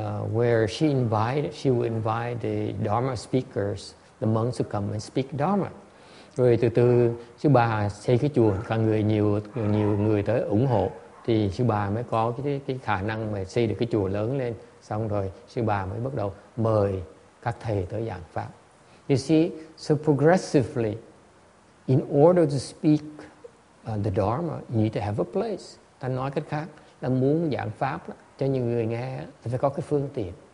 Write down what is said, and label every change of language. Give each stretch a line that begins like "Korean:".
English: Where she would invite the Dharma speakers, the monks to come and speak Dharma.
Vietnamese: Rồi từ từ sư bà xây cái chùa, càng người nhiều người tới ủng hộ, thì sư bà mới có cái khả năng mà xây được cái chùa lớn lên. Xong rồi sư bà mới bắt đầu mời các thầy tới giảng pháp.
English: You see, so progressively, in order to speak the Dharma, you need to have a place.
Vietnamese: Ta nói cách khác là muốn giảng pháp đó cho những người nghe thì phải có cái phương tiện.